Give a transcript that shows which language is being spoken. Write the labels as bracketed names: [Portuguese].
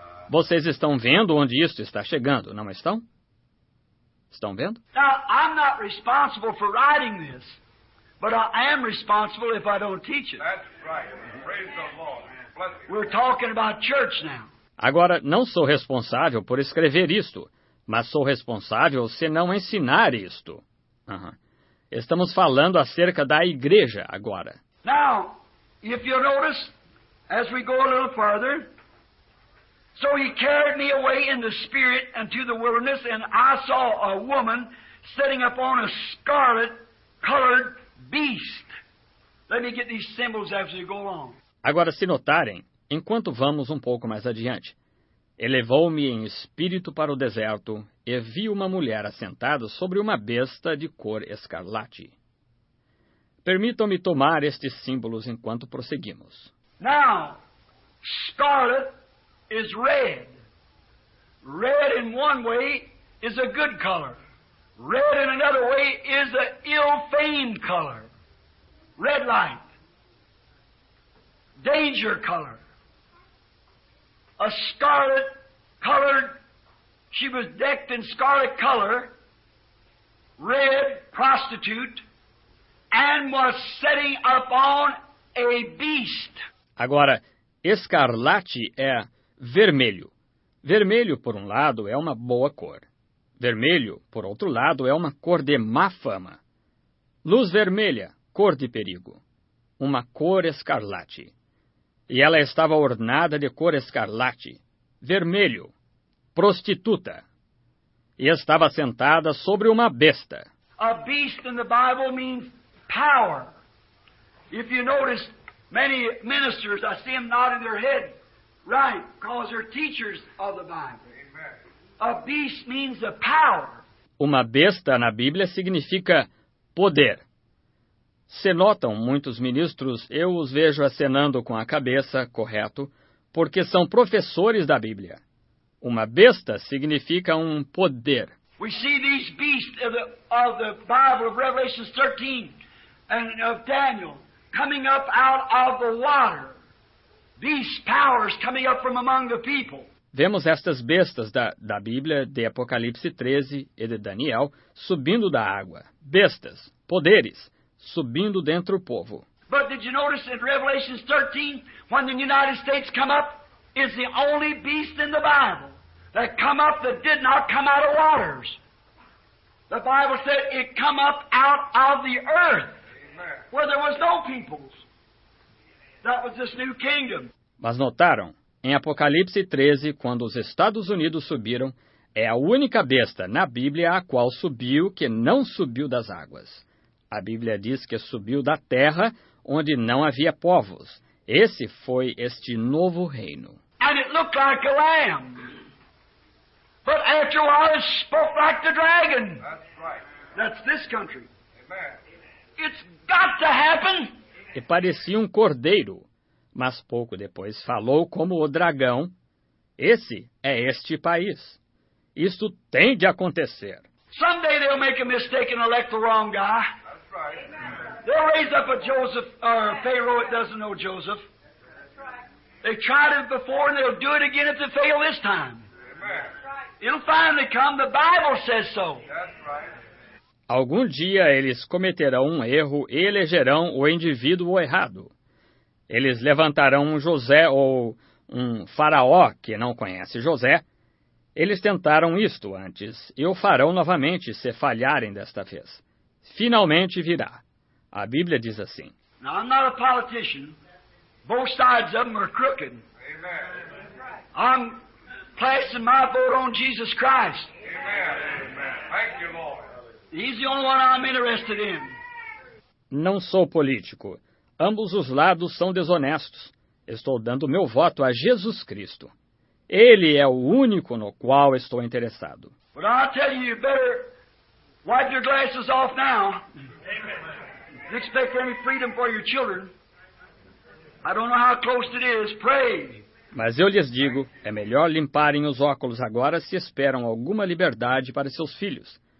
[Portuguese] Vocês estão vendo onde isso está chegando, não estão? Estão vendo? [English] Now, I'm not responsible for writing this, but I am responsible if I don't teach it. That's right. Praise the Lord. We're talking about church now. [Portuguese] Agora, não sou responsável por escrever isto, mas sou responsável se não ensinar isto. Uh-huh. Estamos falando acerca da igreja agora. [English] Now, if you notice, as we go a little further, so he carried me away in the spirit into the wilderness, and I saw a woman sitting upon a scarlet-colored beast. Let me get these symbols as we go along. [Portuguese] Agora, se notarem, enquanto vamos um pouco mais adiante, elevou-me em espírito para o deserto e vi uma mulher assentada sobre uma besta de cor escarlate. Permitam-me tomar estes símbolos enquanto prosseguimos. [English] Now, scarlet is red. Red in one way is a good color. Red in another way is an ill-famed color. Red light. Danger color. A scarlet colored, she was decked in scarlet color, red prostitute, and was setting up on a beast. [Portuguese] Agora, escarlate é vermelho. Vermelho, por um lado, é uma boa cor. Vermelho, por outro lado, é uma cor de má fama. Luz vermelha, cor de perigo. Uma cor escarlate. E ela estava ornada de cor escarlate, vermelho, prostituta. E estava sentada sobre uma besta. [English] A beast in the Bible means power. If you notice, many ministers, I see them nodding their head, right, because they're teachers of the Bible. A beast means the power. [Portuguese] Uma besta na Bíblia significa poder. Se notam, muitos ministros, eu os vejo acenando com a cabeça, correto, porque são professores da Bíblia. Uma besta significa um poder. [English] We see these beasts of the Bible of Revelation 13 and of Daniel coming up out of the water. These powers coming up from among the people. [Portuguese] Vemos estas bestas da Bíblia, de Apocalipse 13 e de Daniel, subindo da água. Bestas, poderes. Subindo dentro do povo. [English] But did you notice in Revelation 13, when the United States come up, is the only beast in the Bible that come up that did not come out of waters? The Bible said it come up out of the earth, where there was no peoples. That was this new kingdom. [Portuguese] Mas notaram, em Apocalipse 13, quando os Estados Unidos subiram, é a única besta na Bíblia a qual subiu que não subiu das águas. A Bíblia diz que subiu da terra onde não havia povos. Esse foi este novo reino. [English] And it looked like a lamb. But after a while it spoke like the dragon. That's right. That's this country. Amen. It's got to happen. [Portuguese] E parecia um cordeiro, mas pouco depois falou como o dragão. Esse é este país. Isto tem de acontecer. [English] Someday they'll make a mistake and elect the wrong guy. They raise up a Joseph or a Pharaoh that doesn't know Joseph. They tried it before and they'll do it again if they fail this time. It'll finally come. The Bible says so. [Portuguese] Algum dia eles cometerão um erro e elegerão o indivíduo errado. Eles levantarão um José ou um faraó que não conhece José. Eles tentaram isto antes e o farão novamente se falharem desta vez. Finalmente virá. A Bíblia diz assim. [English] Now, I'm not a politician. Both sides of them are crooked. Amen. I'm placing my vote on Jesus Christ. Amen. Thank you, Lord. He's the only one I'm interested in. [Portuguese] Não sou político. Ambos os lados são desonestos. Estou dando meu voto a Jesus Cristo. Ele é o único no qual estou interessado. [English] But I tell you, you better Wipe your glasses off now. Amen. You expect any freedom for your children. I don't know how close it is. Pray. [Portuguese] Mas eu lhes digo, é melhor limparem os óculos agora se esperam alguma liberdade para seus filhos.